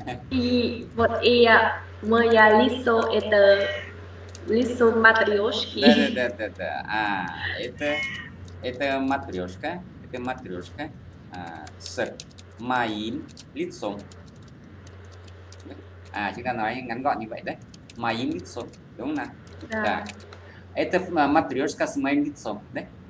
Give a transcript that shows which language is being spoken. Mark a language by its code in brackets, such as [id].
[ru] И вот и моя лицо, это лицо матрешки. Да. Это матрешка. Это матрешка с моим лицом. [vi] Chúng ta nói ngắn gọn như vậy đấy. [ru] Моим лицом, [vi] đúng không nào? [ru] Да. Это матрешка с моим лицом, đấy.